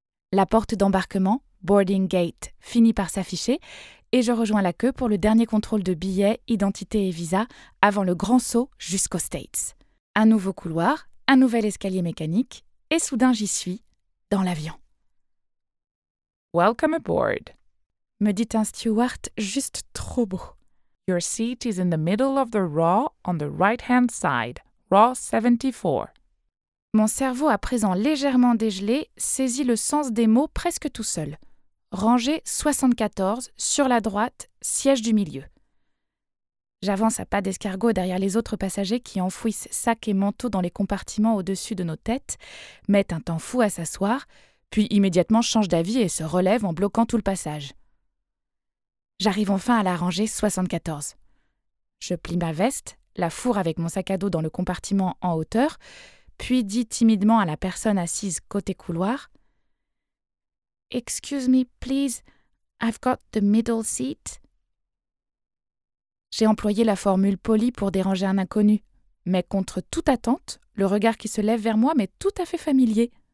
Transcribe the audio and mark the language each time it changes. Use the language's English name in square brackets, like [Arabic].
[French] La porte d'embarquement, [English] boarding gate, [French] finit par s'afficher et je rejoins la queue pour le dernier contrôle de billets, identité et visa avant le grand saut jusqu'aux States. Un nouveau couloir, un nouvel escalier mécanique et soudain j'y suis, dans l'avion. [English] Welcome aboard, [French] me dit un steward juste trop beau. [English] Your seat is in the middle of the row on the right-hand side, row 74. [French] Mon cerveau, à présent légèrement dégelé, saisit le sens des mots presque tout seul. Rangée 74, sur la droite, siège du milieu. J'avance à pas d'escargot derrière les autres passagers qui enfouissent sacs et manteaux dans les compartiments au-dessus de nos têtes, mettent un temps fou à s'asseoir, puis immédiatement changent d'avis et se relèvent en bloquant tout le passage. J'arrive enfin à la rangée 74. Je plie ma veste, la fourre avec mon sac à dos dans le compartiment en hauteur, puis dit timidement à la personne assise côté couloir [English] « Excuse me, please, I've got the middle seat. » [French] J'ai employé la formule polie pour déranger un inconnu, mais contre toute attente, le regard qui se lève vers moi m'est tout à fait familier.